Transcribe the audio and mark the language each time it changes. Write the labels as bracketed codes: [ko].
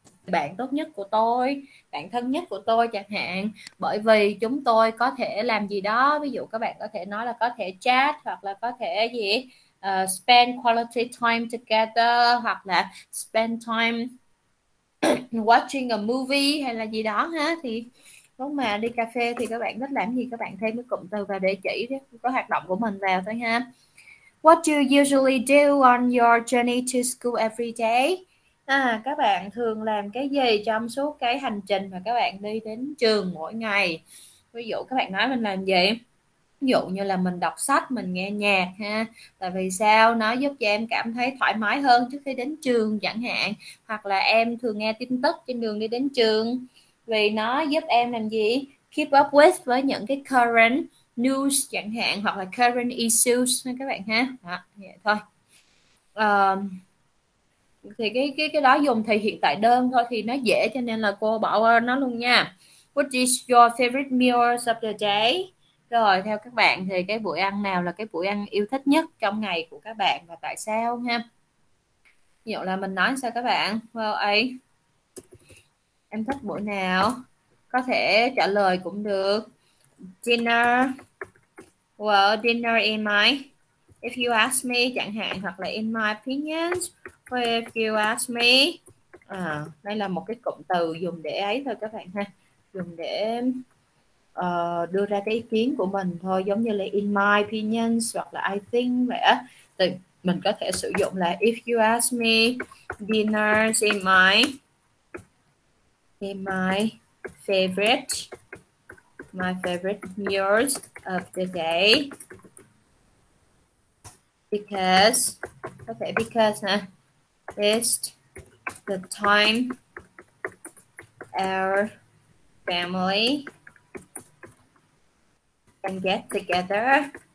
[vi] Bạn tốt nhất của tôi, bạn thân nhất của tôi chẳng hạn, bởi vì chúng tôi có thể làm gì đó, ví dụ các bạn có thể nói là có thể chat hoặc là có thể gì [en] spend quality time together [vi] hoặc là [en] spend time watching a movie [vi] hay là gì đó ha. Thì lúc mà đi cà phê thì các bạn thích làm gì, các bạn thêm cái cụm từ vào để chỉ có hoạt động của mình vào thôi ha. [en] What do you usually do on your journey to school every day? [vi] À, các bạn thường làm cái gì trong suốt cái hành trình mà các bạn đi đến trường mỗi ngày? Ví dụ các bạn nói mình làm gì? Ví dụ như là mình đọc sách, mình nghe nhạc ha. Tại vì sao? Nó giúp cho em cảm thấy thoải mái hơn trước khi đến trường chẳng hạn. Hoặc là em thường nghe tin tức trên đường đi đến trường. Vì nó giúp em làm gì? [en] Keep up [vi] với những cái [en] current news [vi] chẳng hạn. Hoặc là [en] current issues [vi] các bạn ha. Đó, vậy thôi. Thì cái đó dùng thì hiện tại đơn thôi thì nó dễ cho nên là cô bỏ qua nó luôn nha. [en] What is your favorite meal of the day? [vi] Rồi theo các bạn thì cái bữa ăn nào là cái bữa ăn yêu thích nhất trong ngày của các bạn và tại sao ha? Ví dụ là mình nói sao các bạn? Well, ấy em thích bữa nào? Có thể trả lời cũng được. Dinner. [en] Well, dinner in my if you ask me [vi] chẳng hạn, hoặc là [en] in my opinion. If you ask me, [vi] đây là một cái cụm từ dùng để ấy thôi các bạn ha, dùng để đưa ra cái ý kiến của mình thôi, giống như là [en] in my opinions [vi] hoặc là [en] I think [vi] vậy á. Thì mình có thể sử dụng là [en] if you ask me, dinner is my favorite meals of the day, because [vi] có thể [en] because ha. It's the time our family can get together.